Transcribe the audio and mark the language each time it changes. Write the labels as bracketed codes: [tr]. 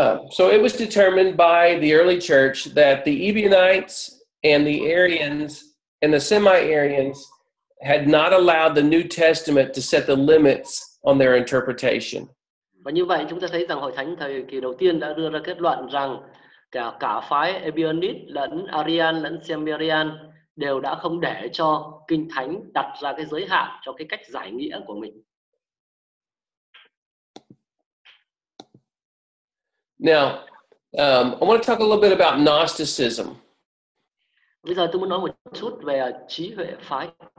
[en] So it was determined by the early church that the Ebionites and the Arians and the semi-Arians had not allowed the New Testament to set the limits on their interpretation. [vi] Và như vậy chúng ta thấy rằng hội thánh thời kỳ đầu tiên đã đưa ra kết luận rằng cả phái Ebionit lẫn Arian lẫn Semirian đều đã không để cho Kinh Thánh đặt ra cái giới hạn cho cái cách giải nghĩa của mình. [en] Now, I want to talk a little bit about Gnosticism. [vi] Bây giờ tôi muốn nói một chút về trí huệ phái.